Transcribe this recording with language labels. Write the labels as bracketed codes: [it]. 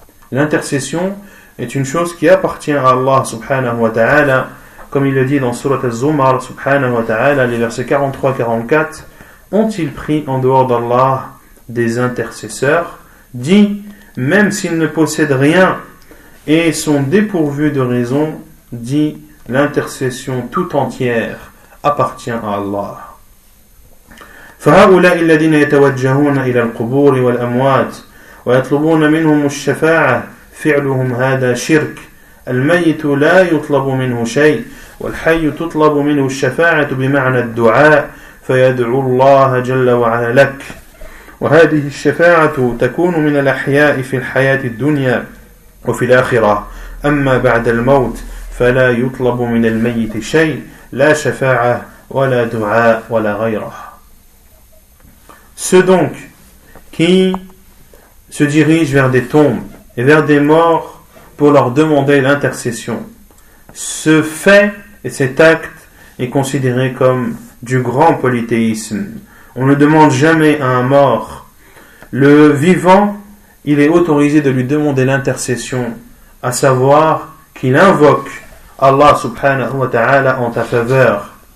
[fr] L'intercession est une chose qui appartient à Allah subhanahu wa ta'ala, comme il le dit dans Surat Az-Zumar subhanahu wa ta'ala, les versets 43-44. Ont-ils pris en dehors d'Allah des intercesseurs? Dis, même s'ils ne possèdent rien et sont dépourvus de raison, dis, l'intercession tout entière appartient à Allah. [ar] فهؤلاء الذين يتوجهون إلى القبور والأموات ويطلبون منهم الشفاعة فعلهم هذا شرك الميت لا يطلب منه شيء والحي تطلب منه الشفاعة بمعنى الدعاء فيدعو الله جل وعلا لك وهذه الشفاعة تكون من الأحياء في الحياة الدنيا وفي الآخرة أما بعد الموت فلا يطلب من الميت شيء لا شفاعة ولا دعاء ولا غيره. [fr] Ceux donc qui se dirigent vers des tombes et vers des morts pour leur demander l'intercession, ce fait et cet acte est considéré comme du grand polythéisme. On ne demande jamais à un mort. Le vivant, il est autorisé de lui demander l'intercession, à savoir qu'il invoque Allah subhanahu wa ta'ala en ta faveur.